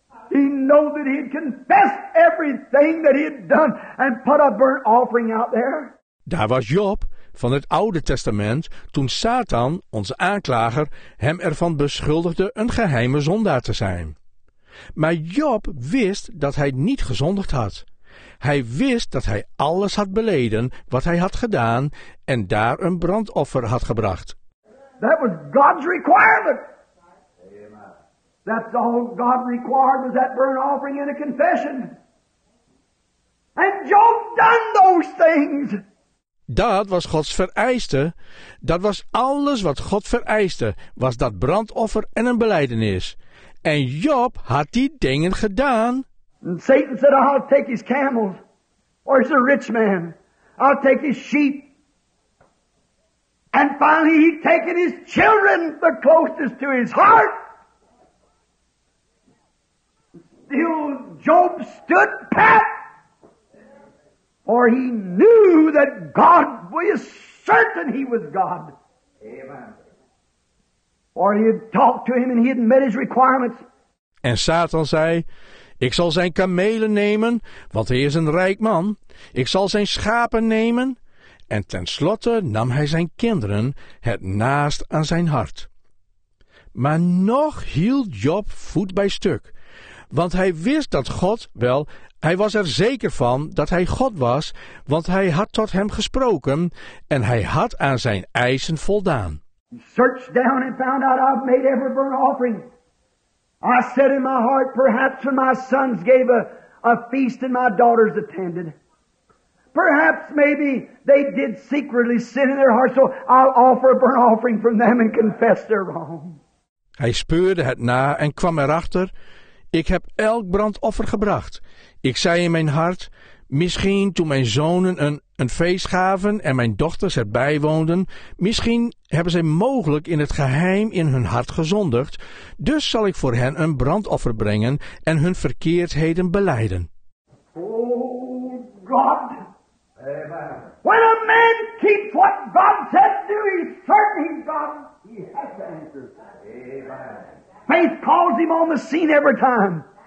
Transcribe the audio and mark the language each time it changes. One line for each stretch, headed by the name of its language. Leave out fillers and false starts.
English: He knew that he had confessed everything that he had done and put a burnt offering out there.
Dutch: Daar was Job van het Oude Testament toen Satan, onze aanklager, hem ervan beschuldigde een geheime zondaar te zijn. Maar Job wist dat hij niet gezondigd had. Hij wist dat hij alles had beleden wat hij had gedaan en daar een brandoffer had gebracht.
English: That was God's requirement. That's all God required was that burnt offering and a confession. And Job done those things.
Dutch: Dat was Gods vereiste. Dat was alles wat God vereiste, was dat brandoffer en een belijdenis. En Job had die dingen gedaan.
English: And Satan said, I'll take his camels. Or he's a rich man. I'll take his sheep. And finally he'd taken his children, the closest to his heart. Still Job stood pat. For he knew that God was certain he was God. Amen. For he had talked to him and he had met his requirements.
Dutch: En Satan zei, ik zal zijn kamelen nemen, want hij is een rijk man. Ik zal zijn schapen nemen. En tenslotte nam hij zijn kinderen het naast aan zijn hart. Maar nog hield Job voet bij stuk, want hij wist dat God wel, hij was er zeker van dat hij God was, want hij had tot hem gesproken en hij had aan zijn eisen voldaan.
English: He searched down and found out I've made every burnt offering. I said in my heart, perhaps when my sons gave a feast and my daughters attended. Perhaps maybe they did secretly sin in their heart, so I'll offer a burnt offering from them and confess their wrong.
Dutch: Hij speurde het na en kwam erachter. Ik heb elk brandoffer gebracht. Ik zei in mijn hart, misschien toen mijn zonen een feest gaven en mijn dochters erbij woonden, misschien hebben zij mogelijk in het geheim in hun hart gezondigd, dus zal ik voor hen een brandoffer brengen en hun verkeerdheden belijden.
English: Oh God! Amen. When a man keeps what God said to do, he's certain he's God. He has to answer. Amen. Faith calls him on the scene every time.